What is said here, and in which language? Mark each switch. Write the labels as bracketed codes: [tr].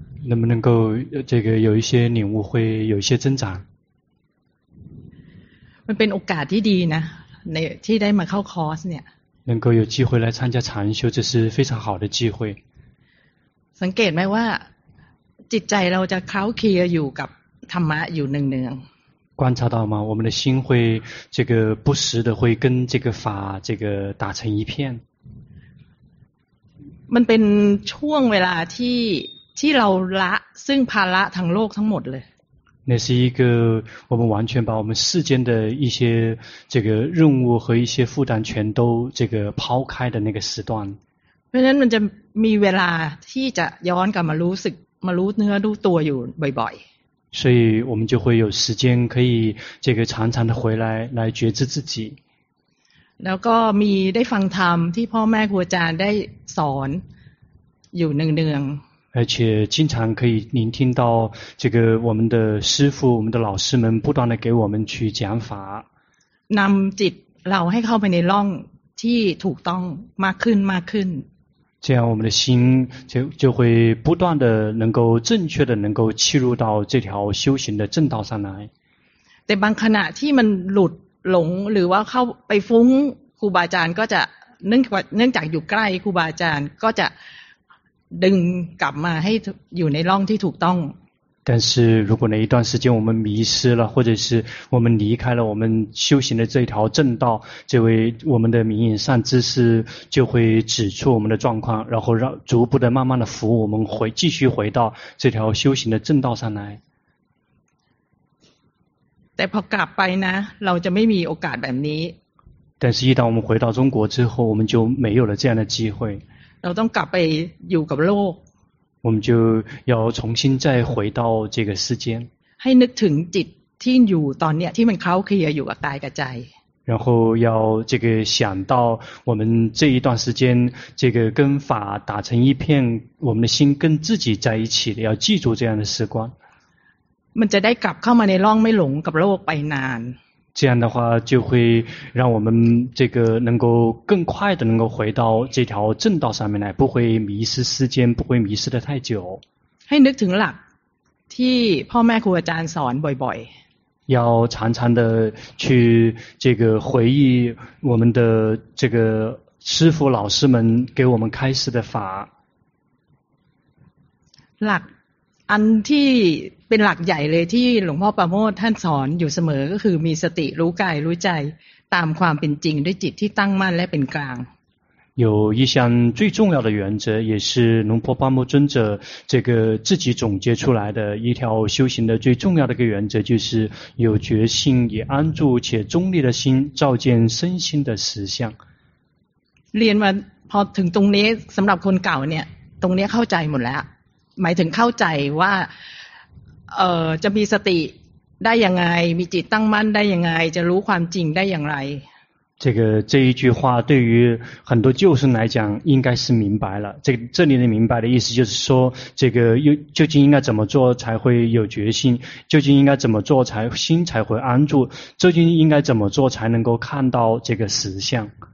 [zh] 能不能够这个有一些领悟会有一些增长 [th] มันเป็นโอกาสที่ดีนะในที่ได้มาเข้าคอร์สเนี่ย [zh] 能够有机会来参加禅修这是非常好的机会 [th] สังเกตไหมว่าจิตใจเราจะเคล้าเคลียอยู่กับธรรมะอยู่เนือง [zh] ๆ观察到吗我们的心会这个不时的会跟这个法这个打成一片 [th] มันเป็นช่วงเวลาที่เราละซึ่งภาระทั้งโลกทั้งหมดเลย [zh] 那是一个我们完全把我们世间的一些这个任务和一些负担全都这个抛开的那个时段 [th] เพราะฉะนั้นมันจะมีเวลาที่จะย้อนกลับมารู้สึกมารู้เนื้อรู้ตัวอยู่บ่อย [zh] ๆ所以我们就会有时间可以这个常常的回来来觉知自己 [th] แล้วก็มีได้ฟังธรรมที่พ่อแม่ครูอาจารย์ได้สอนอยู่เนืองๆ [zh] 而且经常可以聆听到这个我们的师父我们的老师们不断的给我们去讲法 [th] นำจิตเราให้เข้าไปในร่องที่ถูกต้องมากขึ้นมากขึ้น [zh] 这样我们的心就会不断的能够正确的能够切入到这条修行的正道上来 [th] แต่บางขณะที่มันหลุดหลงหรือว่าเข้าไปฟุ้งครูบาอาจารย์ก็จะเนื่องจากอยู่ใกล้ครูบาอาจารย์ก็จะดึงกลับมาให้อยู่ในร่องที่ถูกต้อง [zh] 但是如果哪一段时间我们迷失了或者是我们离开了我们修行的这条正道这位我们的明眼善知识就会指出我们的状况然后让逐步的慢慢的扶我们回继续回到这条修行的正道上来 [th] แต่พอกลับไปนะเราจะไม่มีโอกาสแบบนี้ [zh] 但是一旦我们回到中国之后我们就没有了这样的机会 [th] เราต้องกลับไปอยู่กับโลก [zh] 我们就要重新再回到这个世间 [th] ให้นึกถึงจิตที่อยู่ตอนเนี้ยที่มันเข้าเคลียร์อยู่กับกายกับใจ [zh] 然后要这个想到我们这一段时间这个跟法打成一片我们的心跟自己在一起的要记住这样的时光 [th] มันจะได้กลับเข้ามาในร่องไม่หลงกับโลกไปนาน [zh] 这样的话就会让我们这个能够更快的能够回到这条正道上面来不会迷失时间不会迷失的太久 [th] ให้นึกถึงหลักที่พ่อแม่ครูอาจารย์สอนบ่อย [zh] ๆ要常常的去这个回忆我们的这个师父老师们给我们开示的法 [th] หลักอันที่เป็นหลักใหญ่เลยที่หลวงพ่อประโมทท่านสอนอยู่เสมอก็คือมีสติรู้กายรู้ใจตามความเป็นจริงด้วยจิตที่ตั้งมั่นและเป็นกลาง [zh] 有一项最重要的原则也是龙婆巴摩尊者这个自己总结出来的一条修行的最重要的一个原则就是有决心以安住且中立的心照见身心的实相 [th] เรียนมาพอถึงตรงนี้สำหรับคนเก่าเนี่ยตรงนี้เข้าใจหมดแล้วหมายถึงเข้าใจว่าจะมีสติได้ยังไงมีจิตตั้งมั่นได้ยังไงจะรู้ความจริงได้อย่างไร [zh] 这一句话对于很多旧僧来讲应该是明白了这里的明白的意思就是说这个究竟应该怎么做才会有决心究竟应该怎么做才心才会安住究竟应该怎么做才能够看到这个实相